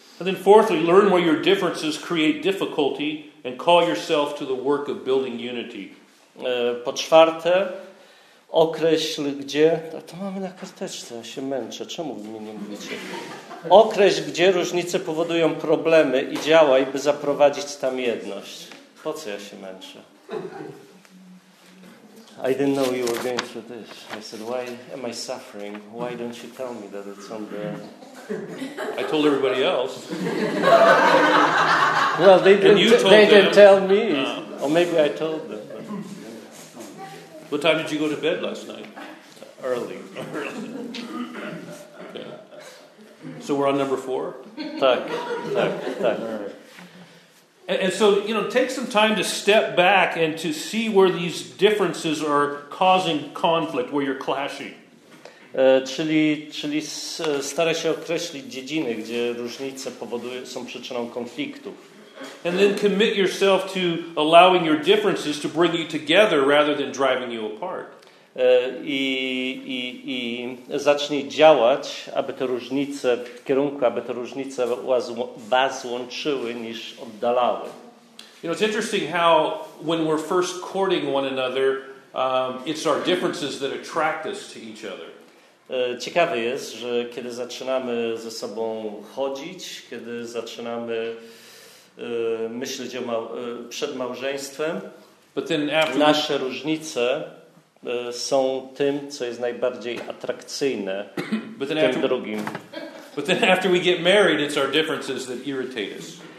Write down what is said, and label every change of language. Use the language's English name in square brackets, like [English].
[English] And then fourthly, learn where your differences create difficulty and call yourself to the work of building unity. [Polish] Po czwarte, określ gdzie... A to mamy na karteczce, ja się męczę. Czemu wy mnie nie mówicie? Określ, gdzie różnice powodują problemy i działaj, by zaprowadzić tam jedność. Po co ja się męczę? [English] I didn't know you were going through this. I said, why am I suffering? Why don't you tell me that it's on the... I told everybody else. Well, they didn't tell me. No. Or maybe I told them. What time did you go to bed last night? Early. Okay. So we're on number four? [Polish] Tak. [English] And so, you know, take some time to step back and to see where these differences are causing conflict, where you're clashing. [Polish] Czyli staraj się określić dziedziny, gdzie różnice powodują, są przyczyną konfliktów. [English] And then commit yourself to allowing your differences to bring you together rather than driving you apart. [Polish] I zacznij działać, aby te różnice w kierunku, aby te różnice was łączyły niż oddalały. [English] You know, it's interesting how when we're first courting one another, it's our differences that attract us to each other. [Polish] Ciekawe jest, że kiedy zaczynamy ze sobą chodzić, kiedy zaczynamy myśleć o przed małżeństwem, nasze różnice są tym, co jest najbardziej atrakcyjne drugim. [English] But then after we get married, it's our differences that irritate us.